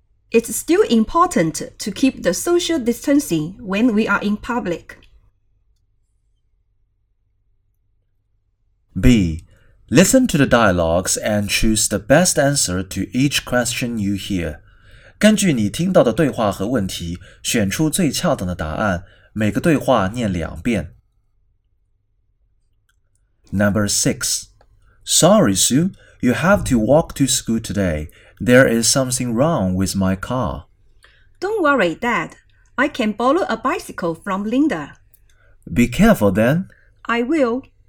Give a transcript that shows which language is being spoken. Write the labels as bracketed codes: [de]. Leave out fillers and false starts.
[en] It's still important to keep the social distancing when we are in public. B. Listen to the dialogues and choose the best answer to each question you hear. [zh] 根据你听到的对话和问题，选出最恰当的答案，每个对话念两遍。 [en] Number 6. Sorry, Sue, you have to walk to school today. There is something wrong with my car. Don't worry, Dad. I can borrow a bicycle from Linda. Be careful, then. I will.